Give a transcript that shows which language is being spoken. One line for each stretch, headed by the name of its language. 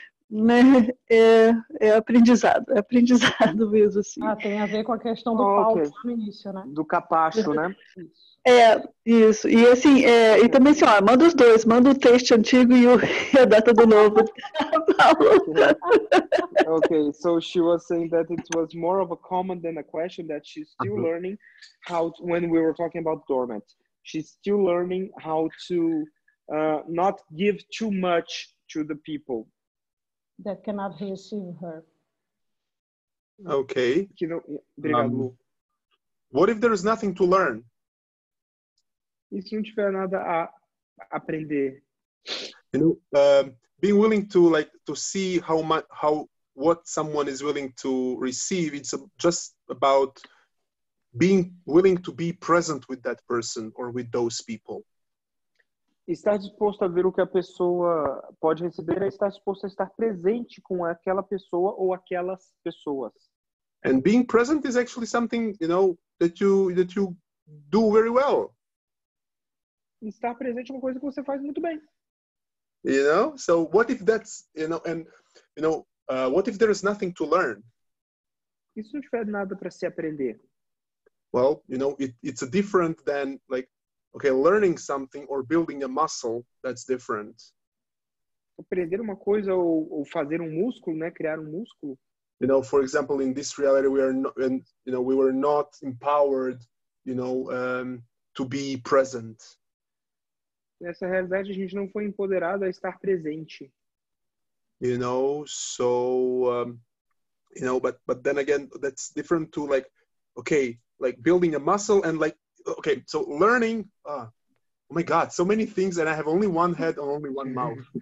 Portuguese: Né? É aprendizado mesmo, assim. Ah, tem a ver com a questão do palco no início, né? Do capacho, né? Isso. E assim, e também assim, ó, manda os dois, manda o texto antigo e a data do novo.
English: Okay, so she was saying that it was more of a comment than a question, that she's still learning how to, when we were talking about dormant, she's still learning how to not give too much to the people. That cannot receive her. Okay.
Portuguese: Obrigado.
English: What if there is nothing to learn?
Portuguese: E se não tiver nada a aprender?
English: You know, being willing to like to see how what someone is willing to receive, it's just about being willing to be present with that person or with those people.
Portuguese: Estar disposto a ver o que a pessoa pode receber é estar disposto a estar presente com aquela pessoa ou aquelas pessoas.
English: And being present is actually something, you know, that you do very well.
Portuguese: Estar presente é uma coisa que você faz muito bem.
English: You know? So what if that's, you know, and you know, what if there is nothing to learn?
Portuguese: Isso não tiver nada para se aprender.
English: Well, you know, it's a different than like, okay, learning something or building a muscle, that's different.
Portuguese: Aprender uma coisa ou fazer músculo, né? Criar músculo.
English: You know, for example, in this reality, we are not, and, you know, we were not empowered, you know, to be present.
Portuguese: Nessa realidade, a gente não foi empoderado a estar presente.
English: You know, so, you know, but then again, that's different to like, okay, like building a muscle and like, okay, so learning, oh my God, so many things, and I have only one head and only one mouth.